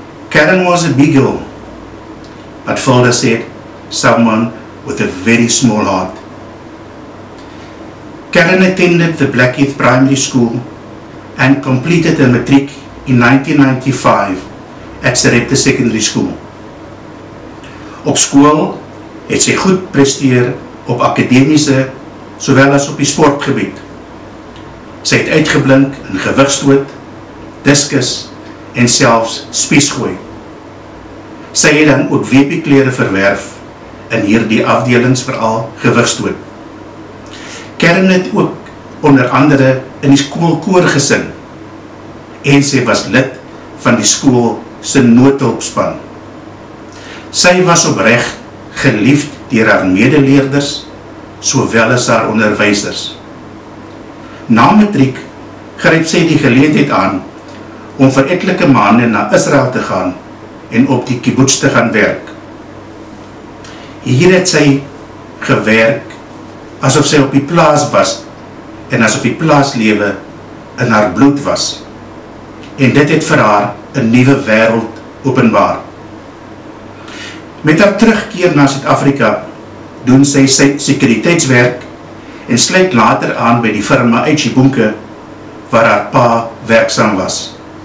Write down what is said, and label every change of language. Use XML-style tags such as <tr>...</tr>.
<en>Karen was a big girl, but Felda said, someone with a very small heart. Karen attended the Blackheath Primary School and completed her matric in 1995 at Sarepta Secondary School.</en> <af>Op skool het sy goed presteer op akademiese sowel as op die sportgebied. Sy het uitgeblink in gewigstoot, discus en selfs spiesgooi. Sy het dan ook WP-klere verwerf in hierdie afdelings, veral gewigstoot. Karen het ook onder andere in die skoolkoor gesing en sy was lid van die skool se noodhulpspan. Sy was opreg geliefd deur haar medeleerders sowel as haar onderwysers. Na matriek gryp sy die geleentheid aan om vir etlike maande na Israel te gaan en op die kibbutz te gaan werk. Hier het sy gewerk asof sy op die plaas was en asof die plaaslewe in haar bloed was. En dit het vir haar een nieuwe wereld openbaar. Met haar terugkeer na Suid-Afrika doen sy sy sekuriteitswerk en sluit later aan by die firma Uitjieboenke waar haar pa werkzaam was.</af>